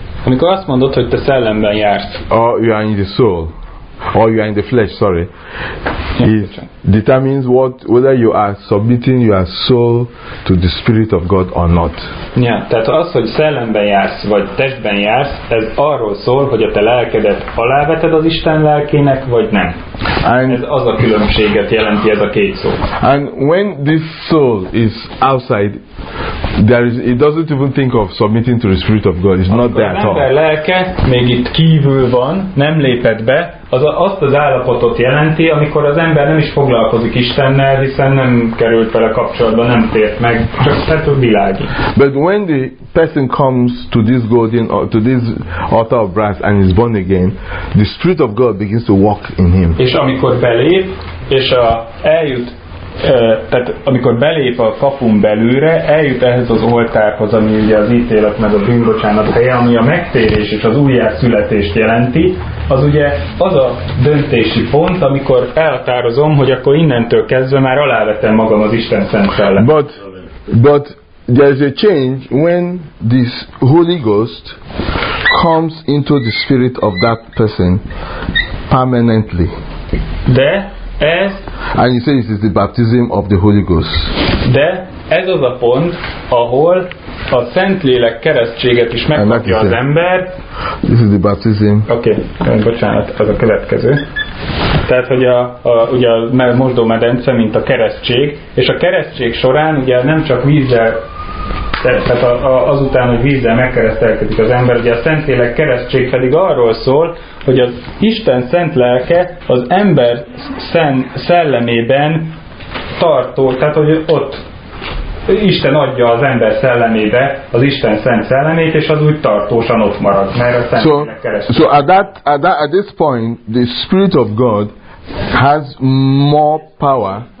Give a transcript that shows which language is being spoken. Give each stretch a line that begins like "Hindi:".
Hungarian: Amikor azt mondod, hogy te szellemben jársz.
English: Or you are in the soul. or you are in the flesh, sorry. Yeah, it determines what whether you are submitting your soul to the Spirit of God or not.
Hungarian: Yeah, tehát az, hogy szellemben jársz, vagy testben jársz, ez arról szól, hogy a te lelkedet aláveted az Isten lelkének, vagy nem.
English: And
Hungarian: ez az a különbséget jelenti ez a két szó.
English: And when this soul is outside, there is, it doesn't even think of submitting to the Spirit of God. It's not there at all.
Hungarian: Az ember lelke még itt kívül van, nem lépett be, az azt az állapotot jelenti, amikor az ember nem is foglalkozik Istennel, hiszen nem került vele kapcsolatba, nem tért meg, csak tett a világi.
English: But when the person comes to this golden or to this altar of brass and is born again, the Spirit of God begins to walk in him.
Hungarian: És amikor belép, és a eljut, tehát amikor belép a kapun belőre, eljut ehhez az oltárhoz, ami ugye az ítélet meg a bűnbocsánat helye, ami a megtérés és az újjászületést jelenti, az ugye az a döntési pont, amikor elhatározom, hogy akkor innentől kezdve már alávetem magam az Isten szent szellem.
English: But there is a change when this Holy Ghost comes into the spirit of that person permanently.
Hungarian: De ez,
English: and you say this is the baptism of the Holy Ghost.
Hungarian: De ez az a pont, ahol a Szentlélek keresztséget is megkapja az ember.
English: This is the baptism.
Hungarian: Okay, bocsánat, ez a következő. Tehát, hogy a ugye a mosdómedence, mint a keresztség, és a keresztség során ugye nem csak vízzel, tehát azután, hogy vízzel megkeresztelkedik az ember, ugye a Szentlélek keresztség pedig arról szól, hogy az Isten szent lelke az ember szellemében tartó, tehát hogy ott Isten adja az ember szellemébe az Isten szent szellemét, és az úgy tartósan ott marad, mert a Szentlélek keresztül.
English: So at this point, the Spirit of God has more power.